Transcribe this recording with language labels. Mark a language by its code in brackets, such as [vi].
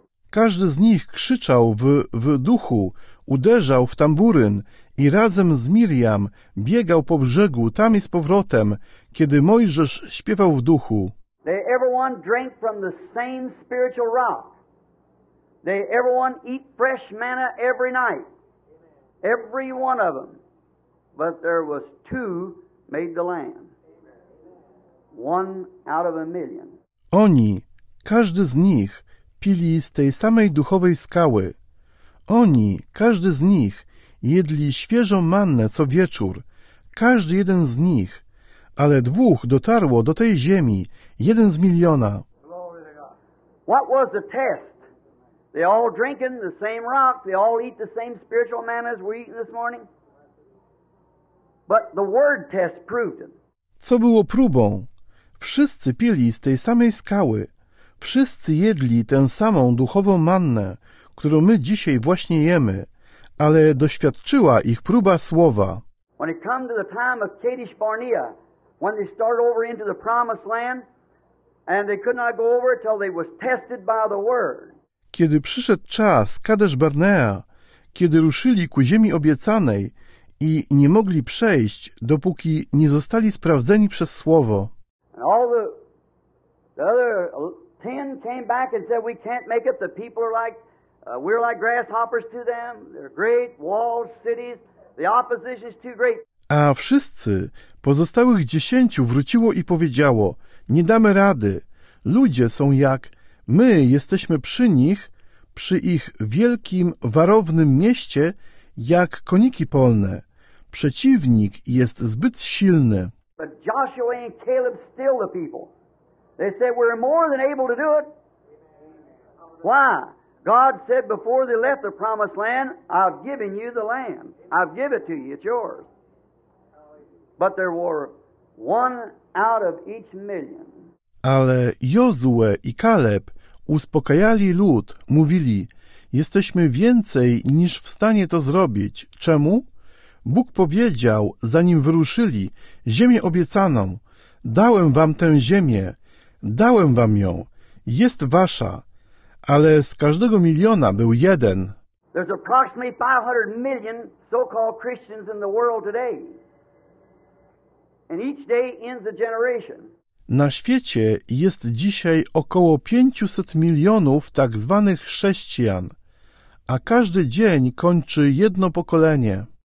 [pl] Każdy z nich krzyczał w duchu, uderzał w tamburyn i razem z Miriam biegał po brzegu tam i z powrotem, kiedy Mojżesz śpiewał w duchu. [en] Everyone drank from the same spiritual rock. They everyone eat fresh manna every night. Every one of them. But there was two made the lamb. One out of a million. [pl] Oni, każdy z nich, pili z tej samej duchowej skały. Oni, każdy z nich, jedli świeżą mannę co wieczór. Każdy jeden z nich. Ale dwóch dotarło do tej ziemi. Jeden z miliona. [en] What was the test? They all drinking the same rock. They all eat the same spiritual manna as we're eating this morning. But the word test proved it. [pl] Co było próbą? Wszyscy pili z tej samej skały. Wszyscy jedli tę samą duchową mannę, którą my dzisiaj właśnie jemy, ale doświadczyła ich próba słowa. [en] When it come to the time of Kadesh Barnea, when they started over into the promised land, and they could not go over till they was tested by the word. [pl] Kiedy przyszedł czas Kadesh Barnea, kiedy ruszyli ku ziemi obiecanej i nie mogli przejść, dopóki nie zostali sprawdzeni przez słowo. [en] And all the other 10 came back and said, we can't make it. The people are like, we're like grasshoppers to them. They're great walled cities. The opposition is too great. [pl] A wszyscy, pozostałych 10 wróciło i powiedziało, nie damy rady. Ludzie są jak, my jesteśmy przy nich, przy ich wielkim, warownym mieście, jak koniki polne. Przeciwnik jest zbyt silny. [en] But Joshua and Caleb still the people. They said, we're more than able to do it. Why? God said before they left the promised land, I've given you the land. I've given it to you. It's yours. But there were one out of each million. [pl] Ale Jozue i Kaleb uspokajali lud, mówili, jesteśmy więcej niż w stanie to zrobić. Czemu? Bóg powiedział, zanim wyruszyli, ziemię obiecaną, dałem wam tę ziemię, dałem wam ją, jest wasza, ale z każdego miliona był jeden. [en] There's approximately 500 million so-called Christians in the world today. And each day ends a generation. [pl] Na świecie jest dzisiaj około 500 milionów tak zwanych chrześcijan, a każdy dzień kończy jedno pokolenie.